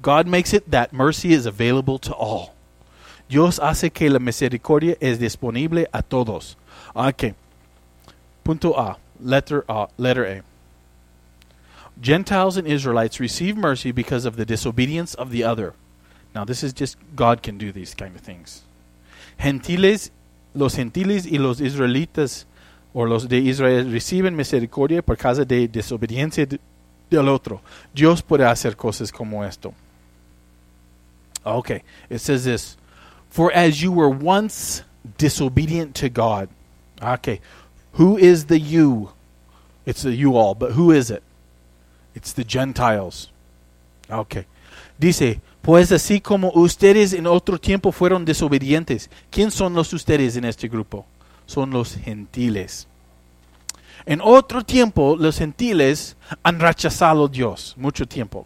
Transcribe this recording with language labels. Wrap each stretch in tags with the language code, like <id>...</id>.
<en>God makes it that mercy is available to all.</en> <es>Dios hace que la misericordia es disponible a todos.</es> <en>Okay.</en> <es>Punto A.</es> <en>Letter A. Gentiles and Israelites receive mercy because of the disobedience of the other. Now, this is just God can do these kind of things.</en> <es>Gentiles, los gentiles y los israelitas, or los de Israel, reciben misericordia por causa de desobediencia del otro. Dios puede hacer cosas como esto.</es> <en>Okay, it says this. For as you were once disobedient to God. Okay, who is the you? It's the you all, but who is it? It's the Gentiles. Okay.</en> <es>Dice, pues así como ustedes en otro tiempo fueron desobedientes. ¿Quién son los ustedes en este grupo? Son los gentiles. En otro tiempo, los gentiles han rechazado a Dios. Mucho tiempo.</es>